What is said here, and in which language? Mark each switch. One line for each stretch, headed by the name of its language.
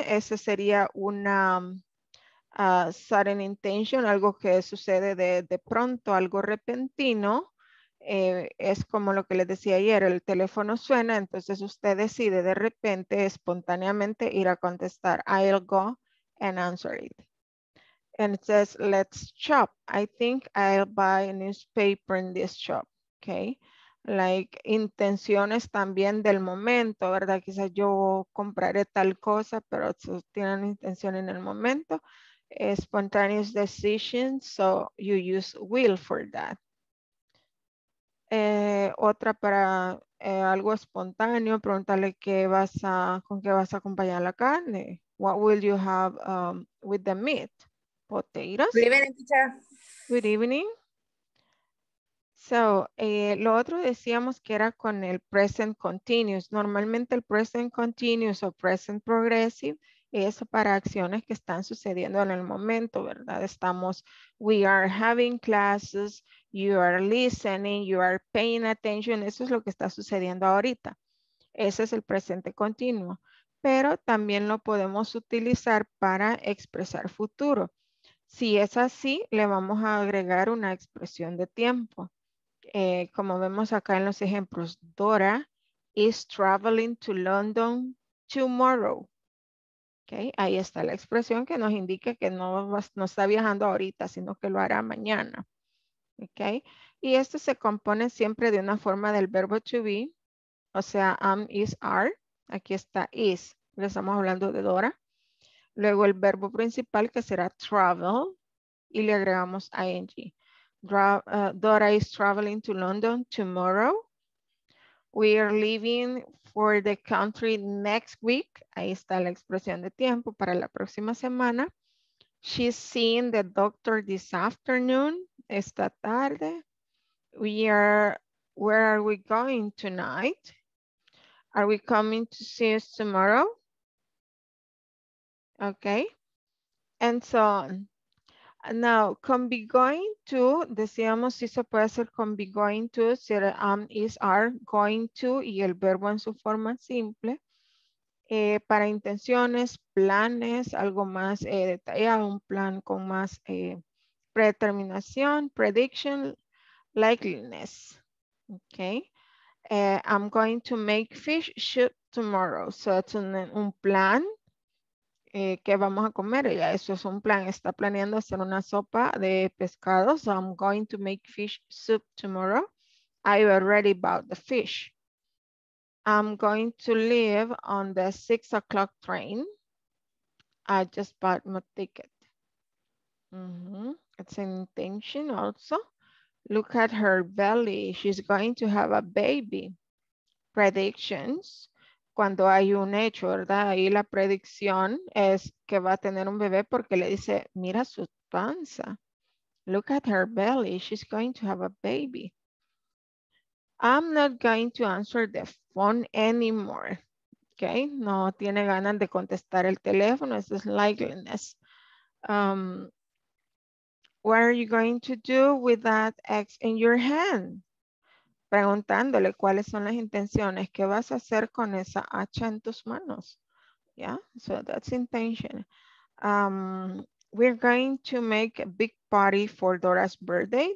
Spanish: Ese sería una
English: sudden intention,
Spanish: algo que sucede de pronto, algo repentino. Es como lo que les decía ayer, el teléfono suena, entonces usted decide de repente, espontáneamente, ir a contestar.
English: I'll go and answer it. And it says, let's shop. I think I'll buy a newspaper in this shop.
Spanish: Okay. Like, intenciones también del momento, ¿verdad? Quizás yo compraré tal cosa, pero tienen intención en el momento.
English: Spontaneous decision, so you use will for that.
Spanish: Otra para algo espontáneo, preguntarle con qué vas a acompañar la carne.
English: What will you have with the meat? Potatoes? Good evening, teacher. Good evening. So,
Spanish: lo otro decíamos que era con el present continuous. Normalmente el present continuous o present progressive es para acciones que están sucediendo en el momento, ¿verdad? Estamos,
English: we are having classes, you are listening, you are paying attention.
Spanish: Eso es lo que está sucediendo ahorita. Ese es el presente continuo. Pero también lo podemos utilizar para expresar futuro. Si es así, le vamos a agregar una expresión de tiempo. Como vemos acá en los ejemplos,
English: Dora is traveling to London tomorrow.
Spanish: Okay, ahí está la expresión que nos indica que no está viajando ahorita, sino que lo hará mañana. Okay. Y esto se compone siempre de una forma del verbo to be, o sea, am, is, are. Aquí está is, le estamos hablando de Dora. Luego el verbo principal que será travel y le agregamos ing.
English: Dora is traveling to London tomorrow. We are leaving for the country next week.
Spanish: Ahí está la expresión de tiempo para la próxima semana.
English: She's seeing the doctor this afternoon.
Spanish: Esta tarde.
English: Where are we going tonight? Are we coming to see us tomorrow? Okay. And so on.
Spanish: Now, con be going to, decíamos si se puede hacer con be going to, si is are going to, y el verbo en su forma simple, para intenciones, planes, algo más detallado, un plan con más predeterminación, prediction, likeliness, okay?
English: I'm going to make fish soup tomorrow, so it's
Spanish: un plan. ¿Qué vamos a comer? Ya, eso es un plan. Está planeando hacer una sopa de pescado.
English: So I'm going to make fish soup tomorrow. I already bought the fish. I'm going to leave on the 6 o'clock train. I just bought my ticket. Mm-hmm. It's an intention also. Look at her belly. She's going to have a baby. Predictions.
Spanish: Cuando hay un hecho, ¿verdad? Ahí la predicción es que va a tener un bebé porque le dice, mira su panza.
English: Look at her belly. She's going to have a baby. I'm not going to answer the phone anymore. Okay.
Spanish: No tiene ganas de contestar el teléfono. Eso es likeliness.
English: What are you going to do with that X in your hand?
Spanish: Preguntándole cuáles son las intenciones. ¿Qué vas a hacer con esa H en tus manos?
English: Yeah, so that's intention. We're going to make a big party for Dora's birthday.